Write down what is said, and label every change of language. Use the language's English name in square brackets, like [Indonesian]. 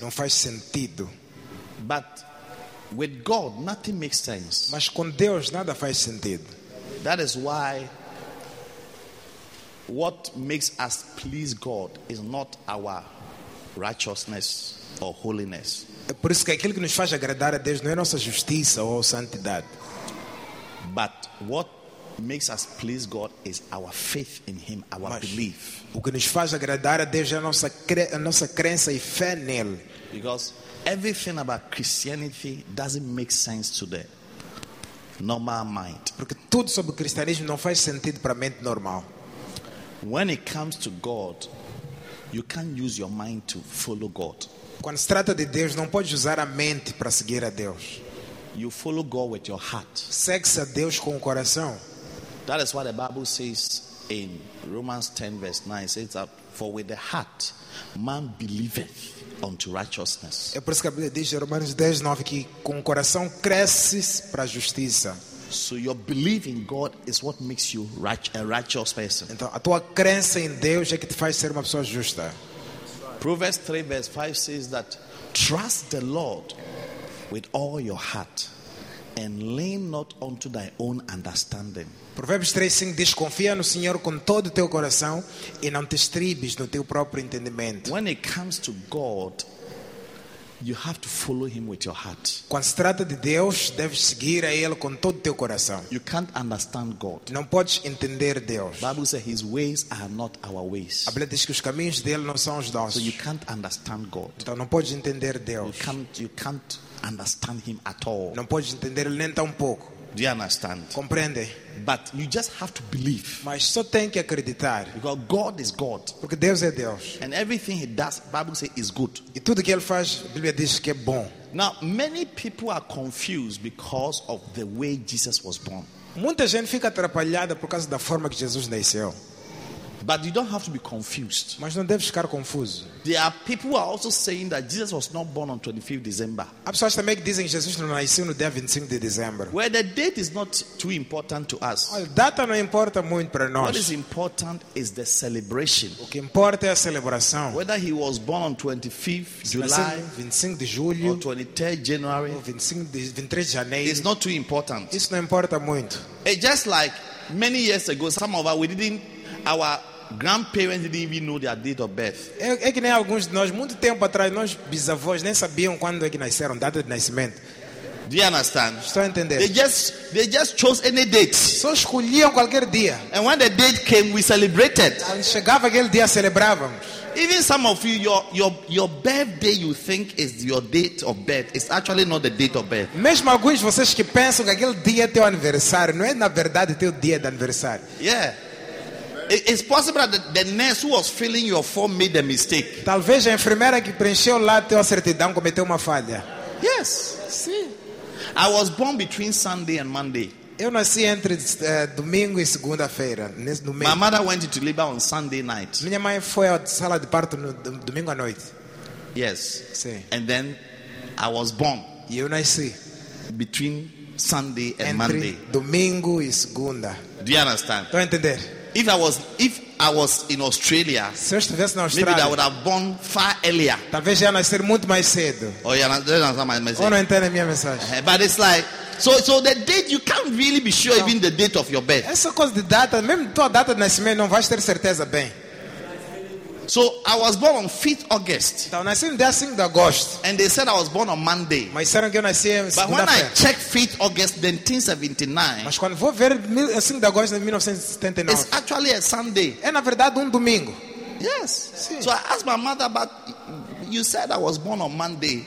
[Portuguese] Não faz sentido. [English] But with God, nothing makes sense. [Portuguese] Mas com Deus nada faz sentido. [English] That is why what makes us please God is not our righteousness or holiness. [Portuguese] É por isso que aquilo que nos faz agradar a Deus não é nossa justiça ou santidade. [English] But what makes us please God is our faith in Him, our belief. [Portuguese] O que nos faz agradar a Deus é a nossa crença e fé nele. [English] Because everything about Christianity doesn't make sense to the normal mind. [Portuguese] Porque tudo sobre o cristianismo não faz sentido para a mente normal. [English] When it comes to God, you can't use your mind to follow God. [Portuguese] Quando se trata de Deus, não pode usar a mente para seguir a Deus. [English] You follow God with your heart. [Portuguese] Segue-se a Deus com o coração. [English] That is what the Bible says in Romans 10 verse 9. It says that for with the heart man believeth unto righteousness. [Portuguese] É por isso que a Bíblia diz em Romanos 10, 9 que com o coração cresces para a justiça. [English] So your belief in God is what makes you a righteous person. [Portuguese] Então a tua crença em Deus é que te faz ser uma pessoa justa. [English] Proverbs 3 verse 5 says that trust the Lord with all your heart and lean not unto thy own understanding. [Portuguese] Provérbios 3, 5 diz: confia no Senhor com todo o teu coração e não te estribes no teu próprio entendimento. [English] When it comes to God, you have to follow Him with your heart. [Portuguese] Quando se trata de Deus, deves seguir a Ele com todo o teu coração. [English] You can't understand God. [Portuguese] Não podes entender Deus. [English] Bible says His ways are not our ways. [Portuguese] A Bíblia diz que os caminhos dele não são os nossos. [English] So you can't understand God. [Portuguese] Então não podes entender Deus. [English] You can't understand Him at all. [Portuguese] Não podes entender Ele nem tão pouco. [English] Do you understand? [Portuguese] Compreende. [English] But you just have to believe. [Portuguese] Mas só tem que acreditar. [English] Because God is God. [Portuguese] Porque Deus é Deus. [English] And everything He does, Bible says, is good. [Portuguese] E tudo que Ele faz, Bíblia diz que é bom. [English] Now, many people are confused because of the way Jesus was born. [Portuguese] Muita gente fica atrapalhada por causa da forma que Jesus nasceu. [English] But you don't have to be confused. [Portuguese] Mas não deve ficar confuso. [English] There are people who are also saying that Jesus was not born on 25th December. [Portuguese] Há pessoas também que dizem que Jesus não nasceu no dia 25 de dezembro. [English] Where the date is not too important to us. [Portuguese] A data não importa muito para nós. [English] What is important is the celebration. [Portuguese] O que importa é a celebração. [English] Whether he was born on 25th [Portuguese] July, 25 de julho, [English] or 23rd January, [Portuguese] ou 23 de janeiro, [English] is not too important. [Portuguese] Isso não importa muito. [English] It's just like many years ago, some of us we didn't. Our grandparents didn't even know their date of birth. [Portuguese] É que nem alguns de nós, muito tempo atrás, nós bisavós nem sabiam quando é que nasceram, data de nascimento. [English] Do you understand? [Portuguese] Estou a entender. [English] They just chose any date. [Portuguese] Só escolhiam qualquer dia. [English] And when the date came, we celebrated. [Portuguese] Quando chegava aquele dia, celebrávamos. [English] Even some of you, your birthday you think is your date of birth. It's actually not the date of birth. [Portuguese] Mesmo alguns de vocês que pensam que aquele dia é teu aniversário, não é na verdade teu dia de aniversário. [English] Yeah. It's possible that the nurse who was filling your form made a mistake. [Portuguese] Talvez a enfermeira que preencheu lá teu certidão cometeu uma falha. [English] Yes. [Portuguese] Sim. [English] I was born between Sunday and Monday. [Portuguese] Eu nasci entre domingo e segunda-feira, nesse domingo. [English] My mother went into labor on Sunday night. [Portuguese] Minha mãe foi à sala de parto no domingo à noite. [English] Yes. [Portuguese] Sim. [English] And then I was born. [Portuguese] E eu nasci [English] between Sunday and [Portuguese] entre [English] Monday. [Portuguese] Entre domingo e segunda. [English] Do you understand? [Portuguese] Tô a entender. [English] If I was in Australia, [Portuguese] se eu estivesse na Austrália, [English] maybe I would have born far earlier. [Portuguese] Talvez já nascer muito mais cedo. [English] Oh yeah, [Portuguese] não entende a minha mensagem. [English] But it's like, so the date, you can't really be sure, não, even the date of your birth. [Portuguese] Essa coisa de data, mesmo tua data de nascimento, não vais ter certeza bem. [English] So I was born on 5th August. [Portuguese] Então nasci no dia 5 de agosto. [English] And they said I was born on Monday. [Portuguese] Mas disseram que eu nasci em [English] segunda-feira. But when I checked 5th August 1979. [Portuguese] Mas quando vou ver 5 de agosto de 1979. [English] It's actually a Sunday. [Portuguese] É na verdade domingo. [English] Yes. [Portuguese] Sim. [English] So I asked my mother, but you said I was born on Monday.